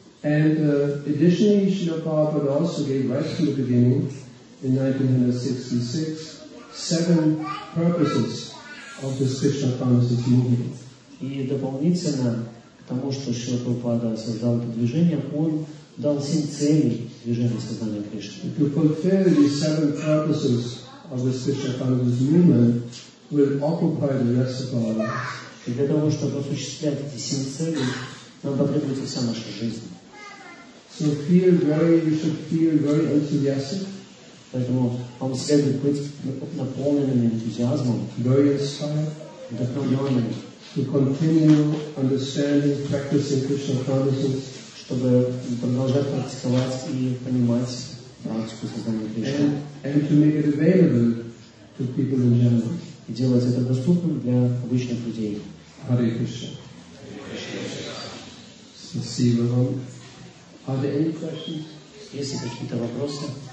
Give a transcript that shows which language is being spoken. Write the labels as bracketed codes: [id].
[en] And additionally, Srila Prabhupada also gave right from the beginning, in 1966, seven purposes of this Krishna consciousness movement. [ru] И дополнительно к тому, что Шрила Прабхупада создал это движение, он дал семь целей движения сознания Кришны. [en] To fulfill these seven purposes of the Krishna consciousness movement will occupy the rest of our lives. [ru] И для того, чтобы осуществлять эти семь целей, нам потребуется вся наша жизнь. [en] So feel very, you should feel very enthusiastic. [ru] Поэтому вам следует быть наполненным энтузиазмом. [en] Very inspired. [ru] Вдохновленным. [en] to continue understanding, practicing Krishna consciousness, [ru] чтобы продолжать практиковать и понимать практику сознания Кришны. [en] And to make it available to people in general. [ru] И делать это доступным для обычных людей. [en] Hare Krishna. [ru] Спасибо вам. [en] Are there any questions? [ru] Есть ли какие-то вопросы?